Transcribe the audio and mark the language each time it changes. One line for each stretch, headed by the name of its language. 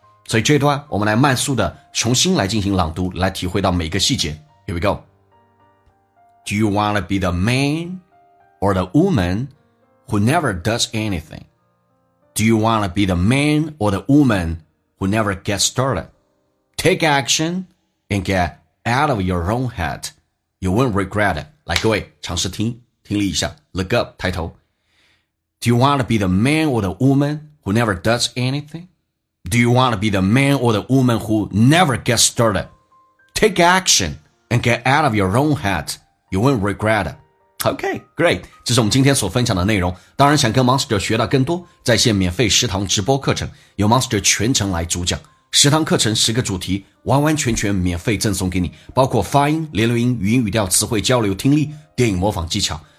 Chinese: 所以这段我们来慢速的重新来进行朗读，来体会到每个细节。
English: Here we go. Do you want to be the man or the woman who never does anything? Do you want to be the man or the woman who never gets started? Take actionAnd get out of your own head. You won't regret it.
Chinese: 来各位尝试听听力一下。
English: Look up,
Chinese: 抬头。
English: Do you want to be the man or the woman who never does anything? Do you want to be the man or the woman who never gets started? Take action and get out of your own head. You won't regret it. Okay, great.
Chinese: 这是我们今天所分享的内容。当然想跟 Monster 学到更多，在线免费食堂直播课程，由 Monster 全程来主讲。十堂课程，十个主题，完完全全免费赠送给你，包括发音、连读音、语音语调、词汇交流、听力、电影模仿技巧。